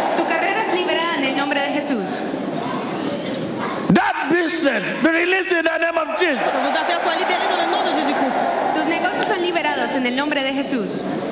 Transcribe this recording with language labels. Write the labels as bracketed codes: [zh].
[es] Tu carrera es liberada en el nombre de Jesus. [en] That business, be released in the name of Jesus. [fr] Que vos affaires soient libérées dans le nom de Jesus Christ. [es] Tus negocios son liberados en el nombre de Jesus.